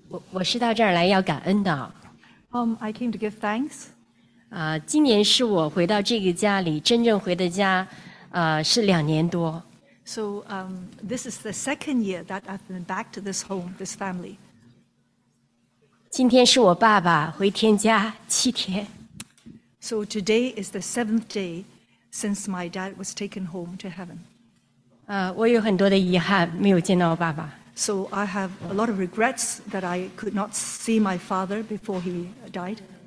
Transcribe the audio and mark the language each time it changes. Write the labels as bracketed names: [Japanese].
[Chinese] 我是到这儿来要感恩的。 [English] I came to give thanks. [Chinese] 今年是我回到这个家里真正回的家， 是两年多。 [English] So this is the second year that I've been back to this home, this family. [Chinese] 今天是我爸爸回天家7天。 [English] So today is the 7th day since my dad was taken home to heaven. [Chinese] 我有很多的遗憾没有见到爸爸。 [English] So I have a lot of regrets that I could not see my father before he died.